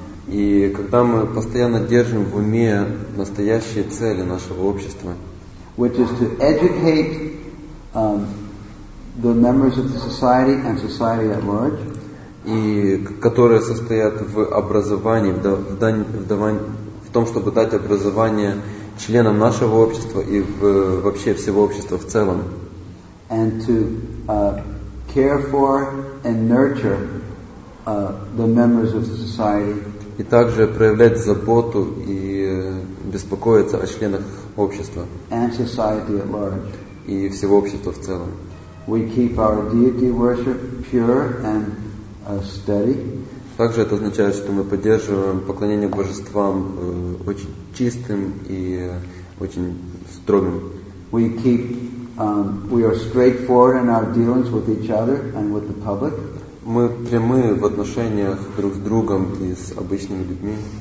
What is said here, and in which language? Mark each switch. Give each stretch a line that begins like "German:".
Russian: И когда мы постоянно держим в уме настоящие цели нашего общества,
English: which is to educate the members of the society and society at large,
Russian: и которые состоят в образовании, в том, чтобы дать образование членам нашего общества и вообще всего общества в целом,
English: and to care for and nurture the members of the society.
Russian: И также проявлять заботу и беспокоиться о членах общества
English: and society at large.
Russian: И всего общества в целом.
English: We keep our deity worship pure and steady.
Russian: Также это означает, что мы поддерживаем поклонение божествам очень чистым и очень строгим.
English: We keep we are straightforward in our dealings with each other and with the public.
Russian: Мы прямые в отношениях друг с другом и с обычными людьми.